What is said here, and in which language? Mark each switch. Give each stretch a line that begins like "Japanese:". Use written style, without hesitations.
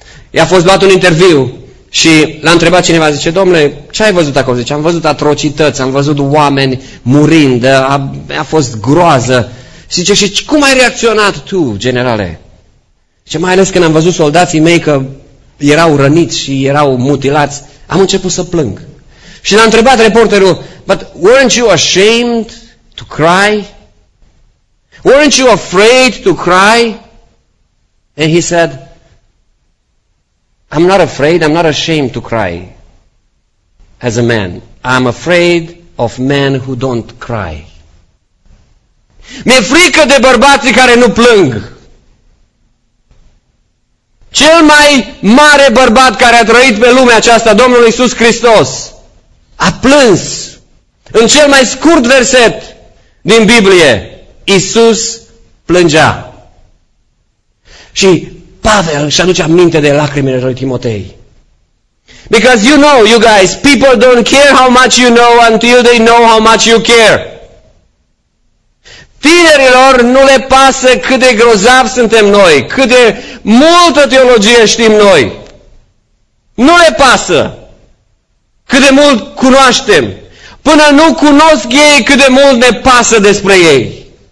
Romanian: I-a fost luat un interviu și l-a întrebat cineva, zice, domnule, ce ai văzut acolo? Zice, am văzut atrocități, am văzut oameni murind, a fost groază. Și zice, și cum ai reacționat tu, generale? Zice, mai ales când am văzut soldații mei că erau răniți și erau mutilați, am început să plâng. Și l-a întrebat reporterul,
English: but weren't you ashamed to cry? Weren't you afraid to cry? And he said, I'm not afraid, I'm not ashamed to cry as a man. I'm afraid of men who don't cry.
Romanian: Mi-e frică de bărbații care nu plâng. Cel mai mare bărbat care a trăit pe lumea aceasta, Domnul Iisus Hristos, a plâns în cel mai scurt verset din Biblie. Iisus plângea. Și Pavel își aduce aminte de lacrimile lui Timotei.
English: Because you know, you guys, people don't care how much you know until they know how much you care.
Romanian: Tinerilor nu le pasă cât de grozav suntem noi, cât de multă teologie știm noi. Nu le pasă cât de mult cunoaștem, până nu cunosc ei cât de mult ne pasă despre ei.